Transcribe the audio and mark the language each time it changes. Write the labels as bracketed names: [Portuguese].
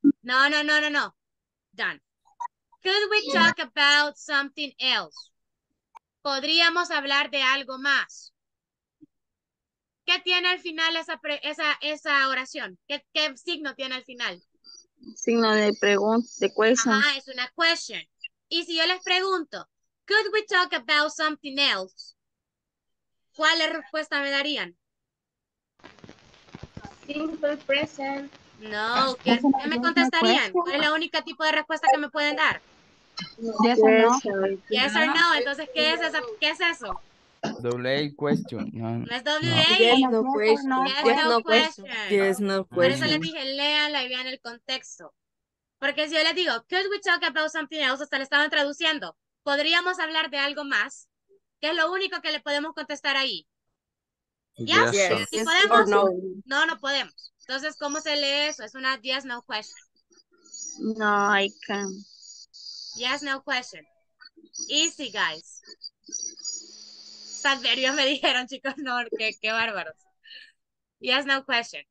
[English] No. Done. Could we talk about something else? [Spanish] ¿Podríamos hablar de algo más? ¿Qué tiene al final esa oración? ¿Qué signo tiene al final? signo de pregunta, de question. Ah, es una question. Y si yo les pregunto, [English] could we talk about something else? [Spanish] ¿Cuál es la respuesta me darían? [English] Simple present. [Spanish] No, ¿qué me contestarían? ¿Cuál es la única tipo de respuesta que me pueden dar? [English] Yes or no. Yes or no. [Spanish] Entonces, ¿qué es eso? ¿Qué es eso? [English] WA question. [Spanish] No, no es WA. [English] Yes, no question. [Spanish] Por eso les dije, léanla y vean el contexto. Porque si yo les digo, [English] could we talk about something else? [Spanish] Hasta le estaban traduciendo. ¿Podríamos hablar de algo más? ¿Qué es lo único que le podemos contestar ahí? [English] Yes. [Spanish] ¿Sí podemos? No, no podemos. Entonces, ¿cómo se lee eso? Es una [English] yes, no question. No, I can't. Yes, no question. Easy, guys. [Spanish] Salverio me dijeron, chicos, no, qué bárbaros. [English] Yes, no question.